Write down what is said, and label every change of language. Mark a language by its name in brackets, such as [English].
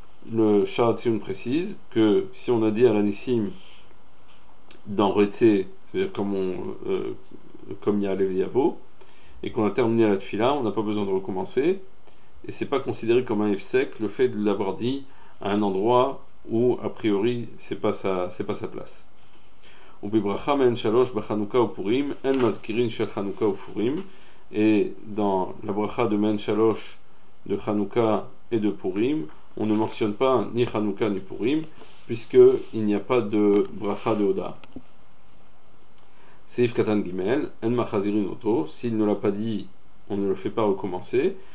[French] Le Shah Tzion précise que si on a dit Alanissim dans Retzé, c'est-à-dire comme il y a Lev Yavo, et qu'on a terminé la tefila, on n'a pas besoin de recommencer, et c'est pas considéré comme un efsek le fait de l'avoir dit à un endroit où a priori c'est pas sa place. [Hebrew] ובברכה מהן שלוש בחנוכה ופורים, אין מזכירין של חנוכה ופורים. [French] Et dans la bracha de Mehen Shalosh, de Chanukah et de Purim, on ne mentionne pas ni Chanukah ni Purim, puisqu'il n'y a pas de bracha de Oda. Seif Katan Gimel, En Machazirin Oto, s'il ne l'a pas dit, on ne le fait pas recommencer.